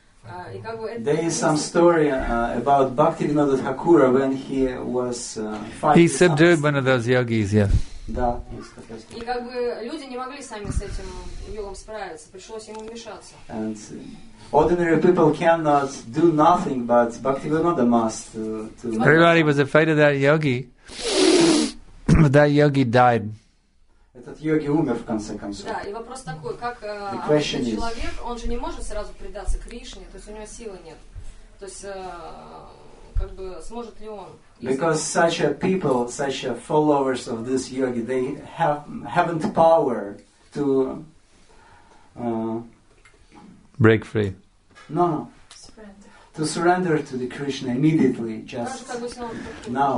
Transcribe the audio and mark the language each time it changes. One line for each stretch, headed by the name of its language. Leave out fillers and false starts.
English: There is some story about Bhaktivinoda Thakura when he was fighting. He subdued one of those yogis, yes.
Russian: Да. И как бы люди не могли сами с этим йогом справиться, пришлось ему вмешаться.
English: And ordinary people cannot do nothing, but Bhaktivinoda must. Everybody was afraid of that yogi. But that yogi died.
Russian: Этот йоги умер в конце концов. Да, и вопрос такой, как обычный человек, он же не может сразу предаться Кришне, то есть у него силы нет. То есть, как бы, сможет ли он?
English: Because such a people, such a followers of this yogi, they haven't power to break free. No. To surrender to the Krishna immediately, just now.